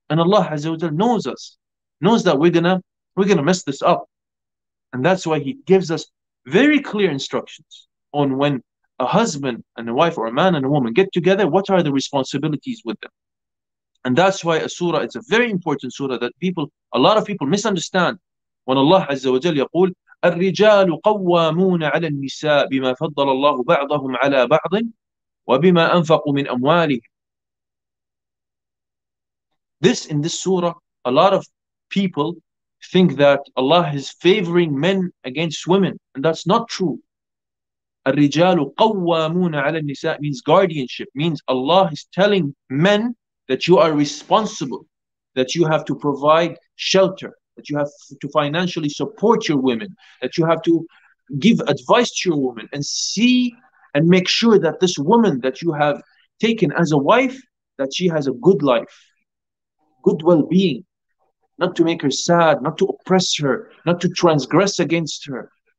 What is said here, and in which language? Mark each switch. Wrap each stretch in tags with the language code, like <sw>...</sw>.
<en>And Allah Azza wa Jal knows us, knows that we're gonna mess this up. And that's why he gives us very clear instructions on when a husband and a wife, or a man and a woman, get together, what are the responsibilities with them. And that's why a surah, it's a very important surah that people, a lot of people misunderstand.</en> <ar>When Allah Azza wa Jal yaqul, الرِّجَالُ قَوَّامُونَ عَلَى النِّسَاءِ بِمَا فَضَّلَ اللَّهُ بَعْضَهُمْ عَلَى بَعْضٍ وَبِمَا أَنْفَقُوا مِنْ أَمْوَالِهِمْ.</ar> <en>This, in this surah, a lot of people think that Allah is favoring men against women, and that's not true.</en> <ar>الرِّجَالُ قَوَّامُونَ عَلَى النِّسَاءِ</ar> <en>means guardianship, means Allah is telling men that you are responsible, that you have to provide shelter, that you have to financially support your women, that you have to give advice to your woman and see and make sure that this woman that you have taken as a wife, that she has a good life, good well-being, not to make her sad, not to oppress her, not to transgress against her.</en>